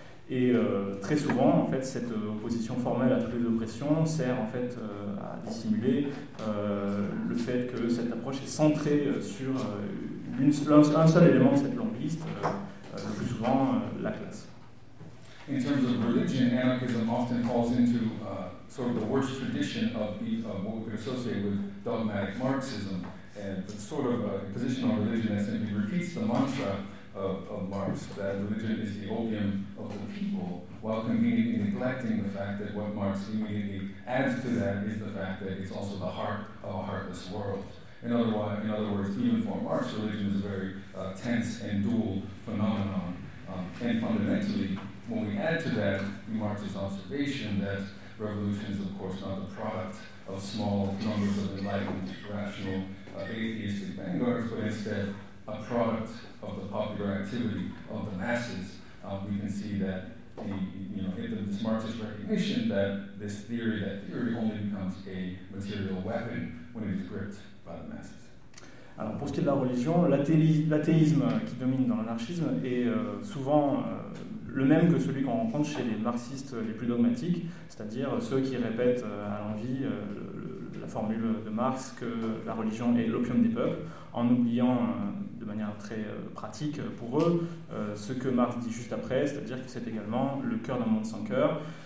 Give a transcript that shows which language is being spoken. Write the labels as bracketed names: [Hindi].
[French] Et très souvent, en fait, cette opposition formelle à toutes les oppressions sert en fait à dissimuler le fait que cette approche est centrée sur un seul élément de cette longue liste, le plus souvent la classe. [English] In terms of religion, anarchism often falls into sort of the worst tradition of what we could associate with dogmatic Marxism, and the sort of a position on religion that simply repeats the mantra of Marx, that religion is the opium of the people, while conveniently neglecting the fact that what Marx immediately adds to that is the fact that it's also the heart of a heartless world. In other words, even for Marx, religion is a very tense and dual phenomenon, and fundamentally, when we add to that Marx's observation that revolution is, of course, not the product of small numbers of enlightened, rational, atheistic vanguards, but instead a product of the popular activity of the masses, we can see that this Marxist recognition that this theory, that theory only becomes a material weapon when it is gripped by the masses. [French] Alors pour ce qui est de la religion, l'athéisme qui domine dans l'anarchisme est souvent le même que celui qu'on rencontre chez les marxistes les plus dogmatiques, c'est-à-dire ceux qui répètent à l'envi la formule de Marx que la religion est l'opium des peuples, en oubliant de manière très pratique pour eux ce que Marx dit juste après, c'est-à-dire que c'est également le cœur d'un monde sans cœur.